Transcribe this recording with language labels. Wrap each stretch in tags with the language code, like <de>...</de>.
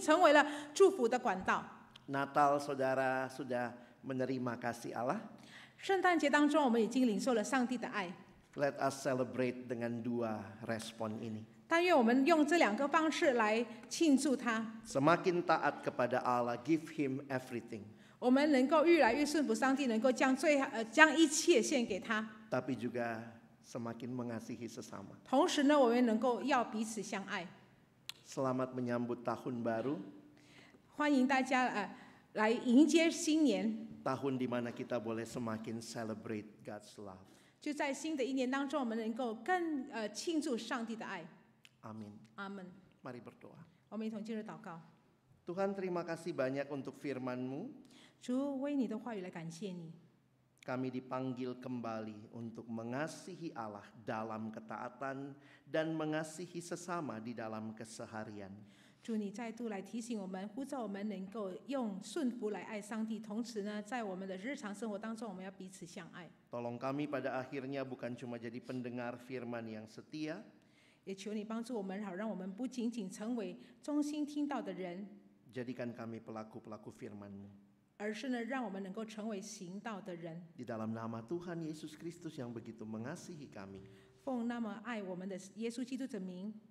<zh>我们可以庆祝爱，因为上帝所赏赐给我们所有的五官是已经成为了祝福的管道。</zh> <id>Natal, saudara sudah menerima kasih Allah?</id> <zh>圣诞节当中，我们已经领受了上帝的爱。</zh> <en>Let us celebrate</en> <id>dengan dua respon ini.</id> <zh>但愿我们用这两个方式来庆祝他。</zh> <id>Semakin taat kepada Allah,</id> <en>give Him everything.</en> <zh>我们能够越来越顺服上帝，能够将一切献给他。</zh> <id>Tapi juga semakin mengasihi sesama.</id> <zh>同时呢，我们能够要彼此相爱。</zh> <id>Selamat menyambut tahun baru.</id> <zh>欢迎大家来迎接新年。</zh> <id>Tahun di mana kita boleh semakin</id> <en>celebrate God's love.</en> <zh>就在新的一年当中，我们能够更庆祝上帝的爱。</zh> <id>Amin. Amin. Mari berdoa.</id> <zh>我们一同进入祷告。</zh> <id>Tuhan, terima kasih banyak untuk firman-Mu.</id> <zh>主，为你的话语来感谢你。</zh> <id>Kami dipanggil kembali untuk mengasihi Allah dalam ketaatan dan mengasihi sesama di dalam keseharian.</id> <zh>主，你再度来提醒我们，呼召我们能够用顺服来爱上帝，同时呢，在我们的日常生活当中，我们要彼此相爱。</zh> <id>Tolong kami pada akhirnya bukan cuma jadi pendengar firman yang setia.</id> <zh>也求你帮助我们，好让我们不仅仅成为忠心听到的人。</zh> <id>Jadikan kami pelaku-pelaku firman-Mu.</id> <zh>而是呢，让我们能够成为行道的人。</zh> <id>Di dalam nama Tuhan Yesus Kristus yang begitu mengasihi kami.</id> <zh>奉那么爱我们的耶稣基督的名。</zh>